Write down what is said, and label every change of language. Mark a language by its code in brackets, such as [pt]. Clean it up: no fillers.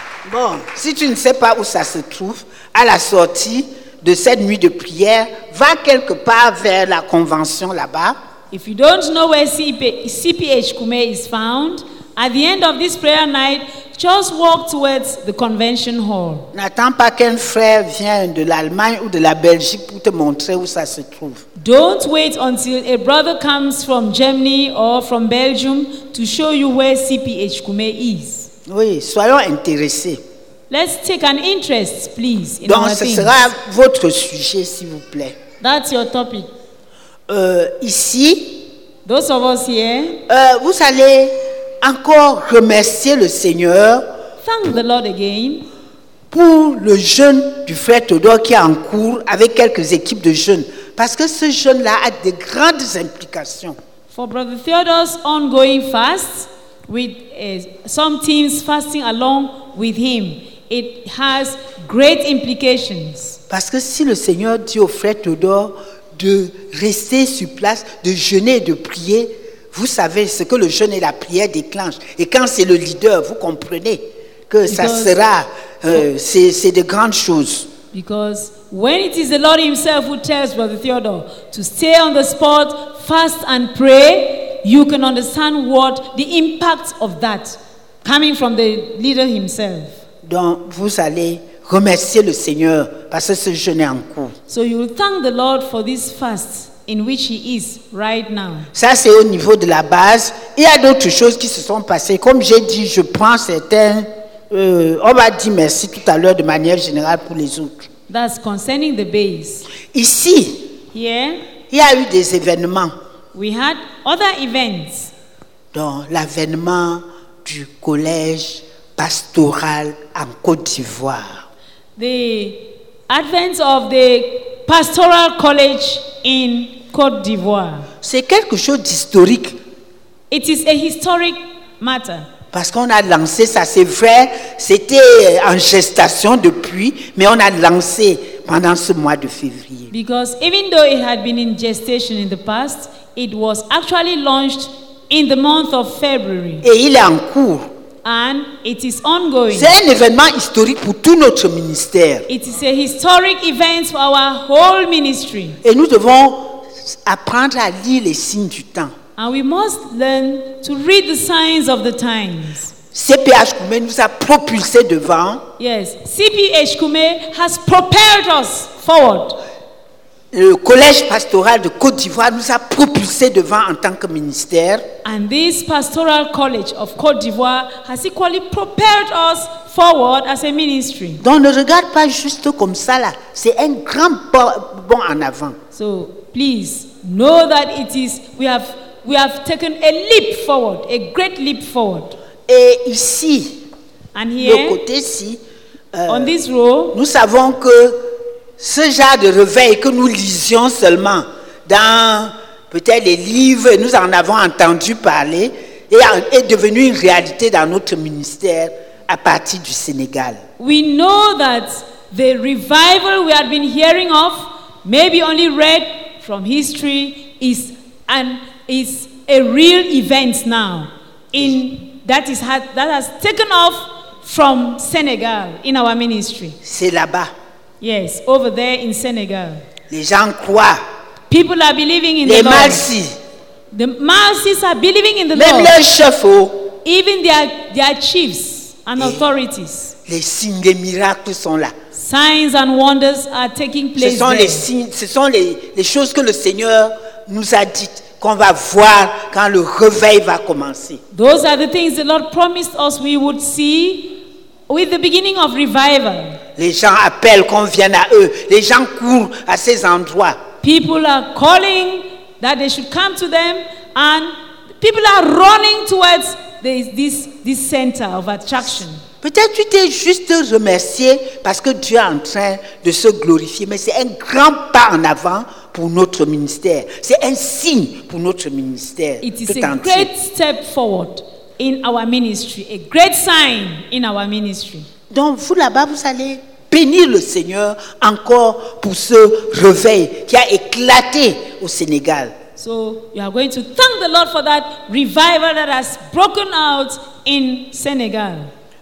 [fr] Bon, si tu ne sais pas où ça se trouve, à la sortie de cette nuit de prière, va quelque part vers la convention là-bas. [en] If you don't know where CPH Koumé is found, at the end of this prayer night, just walk towards the convention hall. [fr] N'attends pas qu'un frère vienne de l'Allemagne ou de la Belgique pour te montrer où ça se trouve. [en] Don't wait until a brother comes from Germany or from Belgium to show you where CPH Koumé is. [fr] Oui, soyons intéressés. [en] Let's take an interest, please. In [fr] donc, ce [en] things. [fr] Sera votre sujet, s'il vous plaît. [en] That's your topic. [fr] Ici, [en] those of us here, [fr] vous allez encore remercier le Seigneur. [en] Thank the Lord again. [fr] Pour le jeûne du frère Théodore qui est en cours avec quelques équipes de jeunes, parce que ce jeûne-là a de grandes implications. [en] For Brother Theodore's ongoing fast. With some teams fasting along with him, it has great implications. [fr] Parce que si le Seigneur dit au frère Théodore de rester sur place, de jeûner et de prier, vous savez ce que le jeûne et la prière déclenchent. Et quand c'est le leader, vous comprenez que ça sera, c'est de grandes choses. [en] Because when it is the Lord Himself who tells Brother Theodore to stay on the spot, fast and pray, you can understand what the impact of that coming from the leader himself. [fr] Donc vous allez remercier le Seigneur parce que ce jeûne est en cours. [en] So you will thank the Lord for this fast in which he is right now. [fr] Ça c'est au niveau de la base. Il y a d'autres choses qui se sont passées. Comme j'ai dit, je prends certains. On va dire merci tout à l'heure de manière générale pour les autres. [en] That's concerning the base. [fr] Ici, [en] here, [fr] il y a eu des événements. [en] We had other events. [fr] Dans l'avènement du collège pastoral en Côte d'Ivoire. [en] The advent of the pastoral college in Côte d'Ivoire. [fr] C'est quelque chose d'historique. [en] It is a historic matter. [fr] Parce qu'on a lancé, ça c'est vrai, c'était en gestation depuis, mais on a lancé pendant ce mois de février. [en] Because even though it had been in gestation in the past, it was actually launched in the month of February. [fr] Et il est en cours. [en] And it is ongoing. [fr] C'est un événement historique pour tout notre ministère. [en] It is a historic event for our whole ministry. [fr] Et nous devons apprendre à lire les signes du temps. [en] And we must learn to read the signs of the times. [fr] CPH Koumé nous a propulsé devant. [en] Yes, CPH Koumé has propelled us forward. [fr] Le collège pastoral de Côte d'Ivoire nous a propulsé devant en tant que ministère. [en] And this pastoral college of Côte d'Ivoire has equally propelled us forward as a ministry. [fr] Donc ne regarde pas juste comme ça là, c'est un grand bond en avant. [en] So please know that it is we have taken a leap forward, a great leap forward. [fr] Et ici, [en] and here, [fr] le côté-ci, [en] on this row, [fr] nous savons que ce genre de réveil que nous lisions seulement dans peut-être les livres, nous en avons entendu parler, est devenu une réalité dans notre ministère à partir du Sénégal. [en] We know that the revival we had been hearing of, maybe only read from history, is a real event now in that has taken off from Senegal in our ministry. [fr] C'est là-bas. [en] Yes, over there in Senegal. [fr] Les gens croient. [en] People are believing in [fr] les [en] the [fr] Malsi. [en] Lord. The Malsis are believing in the [fr] même [en] Lord. [fr] Même les chefs. [en] Even their chiefs and authorities. [fr] Les signes et miracles sont là. [en] Signs and wonders are taking place. [fr] Ce sont [en] there. [fr] Les signes, ce sont les choses que le Seigneur nous a dites. Qu'on va voir quand le réveil va commencer. [en] Those are the things the Lord promised us we would see with the beginning of revival. [fr] Les gens appellent qu'on vienne à eux. Les gens courent à ces endroits. [en] People are calling that they should come to them, and people are running towards this center of attraction. [fr] Peut-être tu t'es juste remercié parce que Dieu est en train de se glorifier, mais c'est un grand pas en avant. Pour notre ministère, c'est un signe pour notre ministère. [en] It is a great step forward in our ministry, a great sign in our ministry. [fr] Donc vous là-bas, vous allez bénir le Seigneur encore pour ce réveil qui a éclaté au Sénégal. [en] So you are going to thank the Lord for that revival that has broken out in Senegal.